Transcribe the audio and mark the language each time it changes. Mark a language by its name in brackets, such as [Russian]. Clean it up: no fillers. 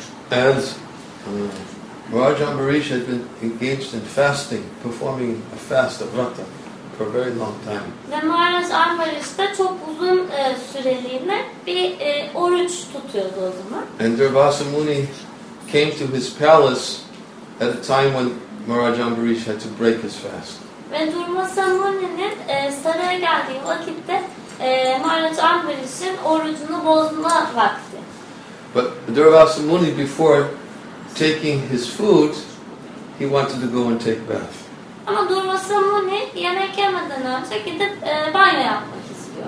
[English] As Maharaj Ambarish had been engaged in fasting, performing a fast of Vrata for a very long time. [Turkish] Ve Maharaj Ambarish de çok uzun süreliğine bir oruç tutuyordu o zaman. [English] And Durvasa Muni came to his palace at a time when Maharaj Ambarish had to break his fast. [Turkish] Ve Durvasa Muni'nin saraya geldiği vakitte Maharaj Ambarish'in orucunu bozma vakti. [English] But Durvasa Muni, before taking his food, he wanted to go and take bath. [Turkish] Ama Durvasa Muni yemek yemeden önce gidip banyo yapmak istiyor.